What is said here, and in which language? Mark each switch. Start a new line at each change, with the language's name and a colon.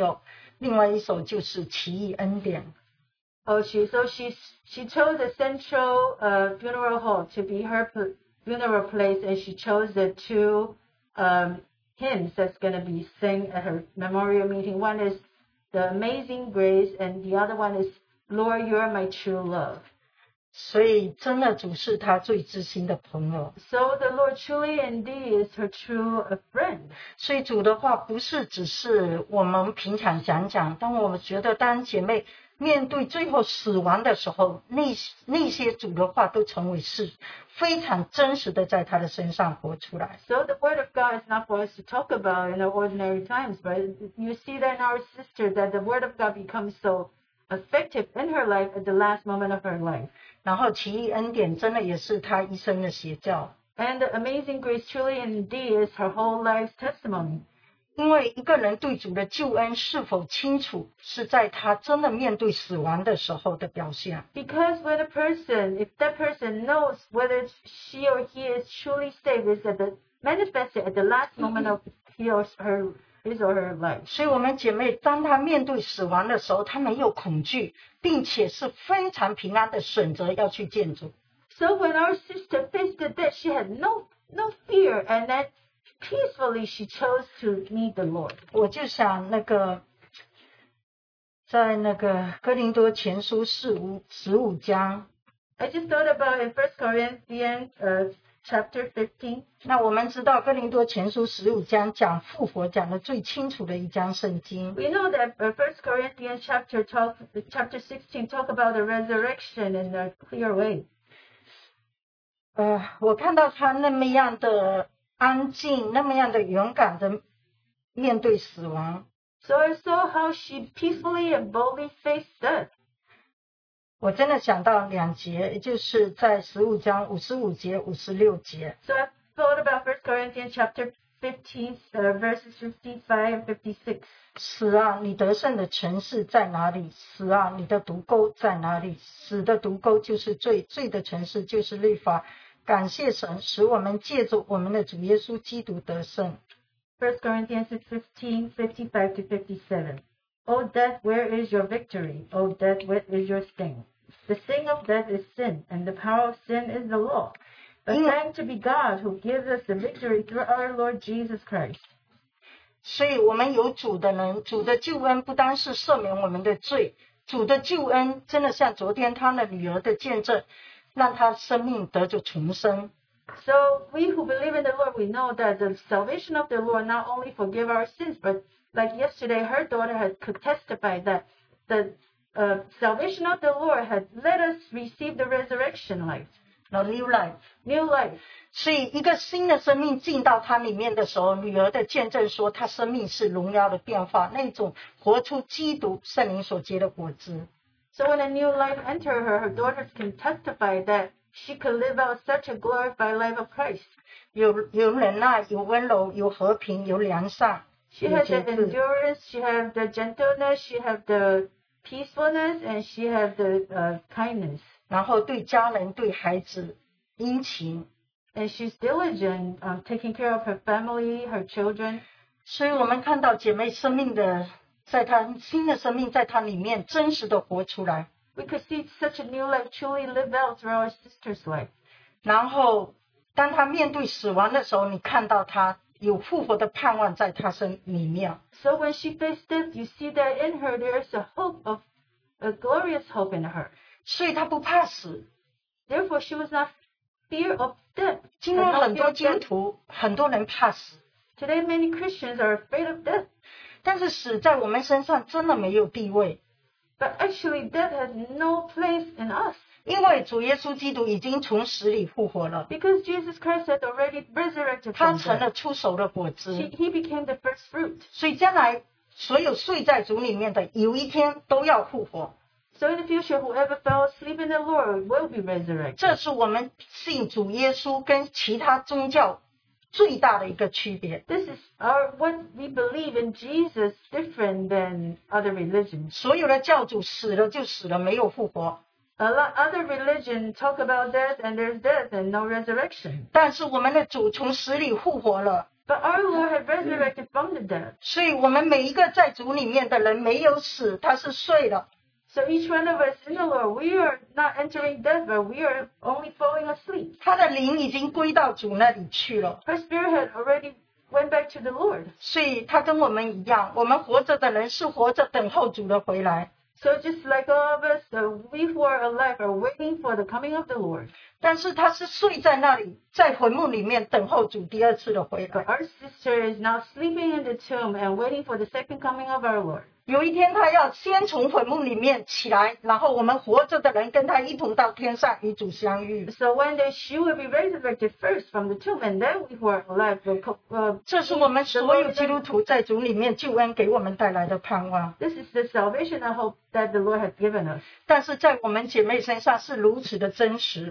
Chinese: 然后连殡仪馆都损了,要中央,然后两首诗歌他自己损的,一首是主是我最知心的朋友,另外一首就是奇异恩典。
English: Oh, she chose the central funeral hall to be her funeral place, and she chose the two hymns that's going to be sung at her memorial meeting. One is The Amazing Grace, and the other one is Lord, You Are My True Love.
Chinese: 所以真的主是她最知心的朋友。
English: So the Lord truly indeed is her true friend.
Chinese: 所以主的话不是只是我们平常讲讲, 当我们觉得当姐妹 面对最后死亡的时候,那些主的话都成为事,非常真实的在他的身上活出来。
English: So the word of God is not for us to talk about in ordinary times, but you see that in our sister that the word of God becomes so effective in her life at the last moment of her life.
Chinese: 然后奇异恩典真的也是他一生的写照。
English: And the amazing grace truly indeed is her whole life's testimony.
Chinese: 因为一个人对主的救恩是否清楚，是在他真的面对死亡的时候的表现。
English: Because when a person, if that person knows whether she or he is truly saved, is at the manifested at the last moment of his or her life.
Chinese: 所以我们姐妹当她面对死亡的时候，她没有恐惧，并且是非常平安的选择要去见主。
English: So when our sister faced the death, she had no fear, and that peacefully she chose to meet the Lord.
Chinese: 我就想那个，在那个哥林多前书十五章。
English: I just thought about in 1 Corinthians chapter 15.
Chinese: 那我们知道哥林多前书十五章讲复活讲的最清楚的一章圣经。
English: We know that 1 Corinthians chapter 16 talk about the resurrection in a clear way.
Chinese: 我看到他那么样的安静，那么样的勇敢的面对死亡。
English: So I saw how she peacefully and boldly faced death.
Chinese: 我真的想到两节，也就是在十五章五十五节、五十六节。
English: So I thought about 1 Corinthians chapter 15, verses 55 and 56.
Chinese: 死啊，你得胜的城市在哪里？死啊，你的毒钩在哪里？死的毒钩就是罪，罪的城市就是律法。感谢神，使我们借着我们的主耶稣基督得胜。
English: First Corinthians 15:55-57. O death, where is your victory? O death, where is your sting? The sting of death is sin, and the power of sin is the law. But thanks to be God who gives us the victory through our Lord Jesus Christ.
Chinese: 所以我们有主的人，主的救恩不单是赦免我们的罪，主的救恩真的像昨天他的女儿的见证。让他生命得着重生。
English: So we who believe in the Lord, we know that the salvation of the Lord not only forgive our sins, but like yesterday, her daughter had could testify that the salvation of the Lord had let us receive the resurrection life, the new life, new life.
Chinese: 所以一个新的生命进到他里面的时候，女儿的见证说，她生命是荣耀的变化，那种活出基督圣灵所结的果子。
English: So when a new life entered her, her daughters can testify that she could live out such a glorified life of Christ.
Chinese: 有忍耐，有温柔，有和平，有良善。
English: She has the endurance, she has the gentleness, she has the peacefulness, and she has the kindness.
Chinese: 然后对家人，对孩子，殷勤。
English: And she's diligent, taking care of her family, her children.
Chinese: 所以我们看到姐妹生命的在他新的生命，在他里面真实的活出来。
English: We could see such a new life truly live out through our sister's life.
Chinese: 然后，当他面对死亡的时候，你看到他有复活的盼望在他身里面。
English: So when she faced death, you see that in her there is a hope of a glorious hope in her.
Chinese: 所以她不怕死。
English: Therefore, she was not fear of death.
Chinese: 今天很多基督徒，很多人怕死。
English: Today, many Christians are afraid of death.
Chinese: 但是死在我们身上真的没有地位。
English: But actually, death has no place in us.
Chinese: 因为主耶稣基督已经从死里复活了。
English: Because Jesus Christ had already resurrected from death.
Chinese: 他成了出熟的果子。
English: He became the first fruit.
Chinese: 所以将来所有睡在主里面的，有一天都要复活。
English: So in the future, whoever fell asleep in the Lord will be resurrected.
Chinese: 这是我们信主耶稣跟其他宗教最大的一个区别。
English: This is our what we believe in Jesus different than other religions.
Chinese: 所有的教主死了就死了，没有复活。
English: A lot other religion talk about death and there's death and no resurrection.
Chinese: 但是我们的主从死里复活了。
English: But our Lord has resurrected from the dead.
Chinese: 所以我们每一个在主里面的人没有死，他是睡了。
English: So each one of us in the Lord, we are not entering death, but we are only falling asleep.
Chinese: 他的灵已经归到主那里去了。
English: Her spirit had already went back to the Lord.
Chinese: 所以他跟我们一样，我们活着的人是活着等候主的回来。
English: So just like all of us, we who are alive are waiting for the coming of the Lord.
Chinese: 但是他是睡在那里，在坟墓里面等候主第二次的回来。
English: But our sister is now sleeping in the tomb and waiting for the second coming of our Lord.
Chinese: 有一天他要先从坟墓里面起来，然后我们活着的人跟他一同到天上与主相遇。
English: So one day she will be resurrected first from the tomb and then we who are alive will come.
Chinese: 这是我们所有基督徒在主里面救恩给我们带来的盼望。
English: This is the salvation and hope that the Lord has given us.
Chinese: 但是在我们姐妹身上是如此的真实。